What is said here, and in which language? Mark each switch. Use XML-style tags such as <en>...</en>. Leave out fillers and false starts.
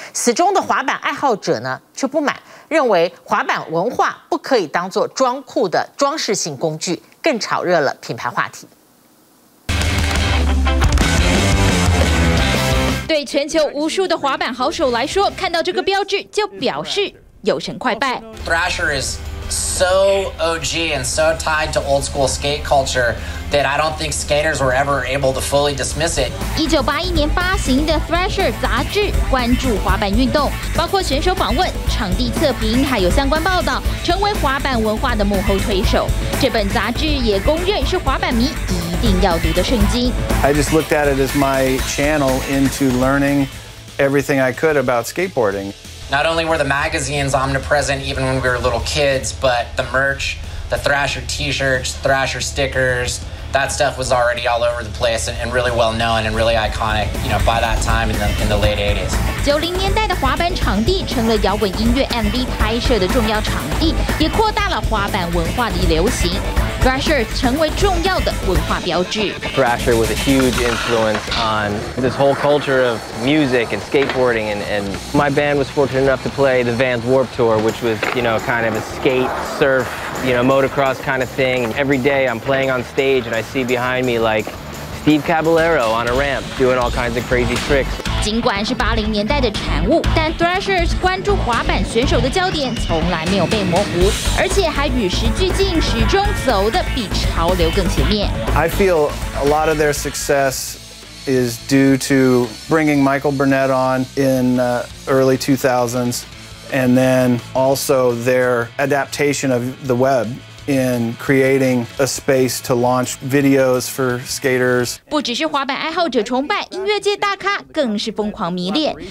<zh>死忠的滑板爱好者呢却不满，认为滑板文化不可以当作装酷的装饰性工具，更炒热了品牌话题。对全球无数的滑板好手来说，看到这个标志就表示有神快败。</zh> <en>Thrasher is so OG and so tied to old school skate culture that I don't think skaters were ever able to fully dismiss it.</en> <zh>1981年发行的 Thrasher 杂志关注滑板运动，包括选手访问、场地测评，还有相关报道，成为滑板文化的幕后推手。这本杂志也公认是滑板迷一定要读的圣经。</zh> <en>I just looked at it as my channel into learning everything I could about skateboarding. Not only were the magazines omnipresent even when we were little kids, but the merch, the Thrasher t-shirts, Thrasher stickers, that stuff was already all over the place and really well known and really iconic, you know, by that time in the late 80s.</en> <zh>90年代的滑板场地成了摇滚音乐 MV 拍摄的重要场地，也扩大了滑板文化的流行。 Thrasher 成为重要的文化标志。</zh> <en>Thrasher was a huge influence on this whole culture of music and skateboarding, and my band was fortunate enough to play the Vans Warped Tour, which was, you know, kind of a skate, surf, you know, motocross kind of thing. Every day I'm playing on stage and I see behind me like Steve Caballero on a ramp doing all kinds of crazy tricks.</en> <zh>尽管是80年代的产物，但 Thrasher 关注滑板选手的焦点从来没有被模糊，而且还与时俱进，始终走得比潮流更前面。</zh> <en>I feel a lot of their success is due to bringing Michael Burnett on in early 2000s, and then also their adaptation of the web in creating a space to launch videos for skaters.</en> <zh>不只是滑板爱好者崇拜，音乐界大咖更是疯狂迷恋。</zh>